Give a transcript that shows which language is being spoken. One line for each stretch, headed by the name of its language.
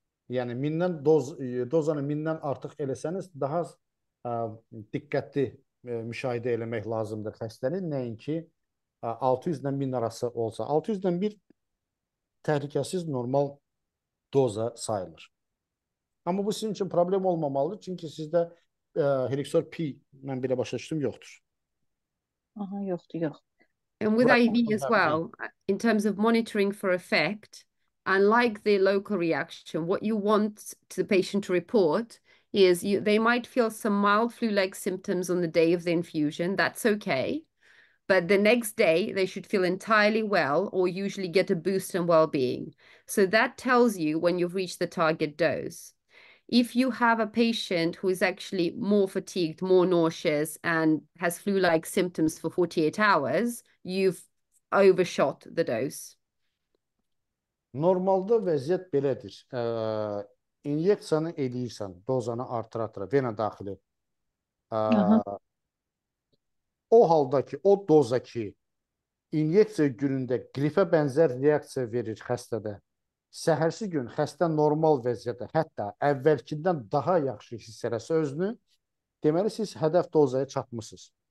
Azerbaijani: Yəni mindən dozanı mindən artıq eləsəniz, daha diqqətli müşahidə eləmək lazımdır xəstəni. Nəinki 600-dən 1000 arası olsa, 600-dən 1 təhlükəsiz normal doza sayılır. Amma bu sizin üçün problem olmamalıdır, çünki sizdə Helixor P, mən belə başa düşdüm, yoxdur. Aha, yoxdur, yox.
English: And with IV as well, in terms of monitoring for effect, unlike the local reaction, what you want to the patient to report is they might feel some mild flu-like symptoms on the day of the infusion. That's okay. But the next day, they should feel entirely well or usually get a boost in well-being. So that tells you when you've reached the target dose. If you have a patient who is actually more fatigued, more nauseous, and has flu-like symptoms for 48 hours, you've overshot the dose.
Azerbaijani: Normalda vəziyyət belədir. İnyeksiyanı edirsən, dozanı artıra-artıra vena daxili. O halda ki, o doza ki, inyeksiya günündə qripə bənzər reaksiya verir xəstədə, səhərsi gün xəstə normal vəziyyətdə, hətta əvvəlkindən daha yaxşı hiss edərsə özünü, deməli siz hədəf dozaya çatmışsınız.